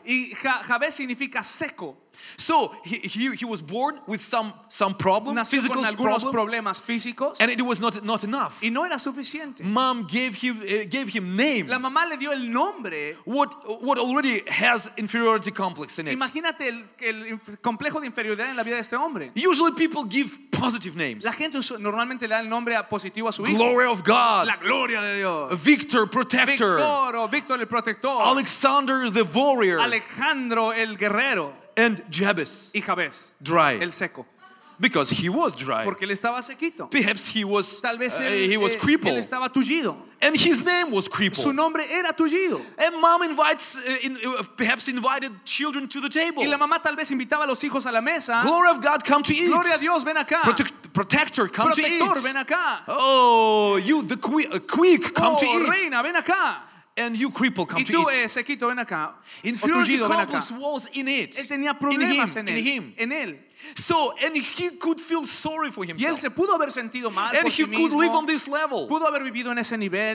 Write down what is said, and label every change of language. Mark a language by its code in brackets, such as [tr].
[es] Y Jabez significa seco. [en] So he was born with some problem, [es] nació [en] physical [es] con algunos [en] problem, [es] problemas físicos, [en] and it was not enough. [es] Y no era suficiente. [en] Mom gave him name. [es] La mamá le dio el nombre. [en] What already has inferiority complex in it. [es] Imagínate el complejo de inferioridad en la vida de este hombre. [en] Usually people give positive names. [es] La gente normalmente le da el nombre positivo a su hijo. [en] Glory of God. [es] La gloria de Dios. [en] Victor, protector. [es] Victor, o Victor el protector. [en] Alexander the warrior. [es] Alejandro el guerrero. [en] And Jabez, [es] y Jabez, [en] dry, [es] el seco, [en] because he was dry. [es] Porque él estaba sequito. [en] Perhaps he was, [es] tal vez él, [en] he was crippled. [es] Él estaba tullido. [en] And his name was crippled. [es] Su nombre era tullido. [en] And mom invites, perhaps invited children to the table. [es] Y la mamá tal vez invitaba a los hijos a la mesa. [en] Glory of God, come to eat. [es] Gloria a Dios, ven acá. [en] Protector, come [es] protector, [en] to eat. [es] Protector, ven acá. [en] Oh, you the quick, come [es] oh, [en] to eat. [es] Oh, reina, ven acá. [en] And you cripple come [es] y tú, [en] to eat. [es] Sequito, ven acá. [en] Inferiority [es] tullido, [en] complex [es] ven acá. [en] Was in it. [es] Él tenía problemas [en] in him. [es] En él. [en] In him. [es] En él. [en] So, and he could feel sorry for himself. [es] Y él se pudo haber sentido mal [en] and [es] por [en] he [es] sí [en] could [es] mismo. [en] Live on this level. [es] Pudo haber vivido en ese nivel.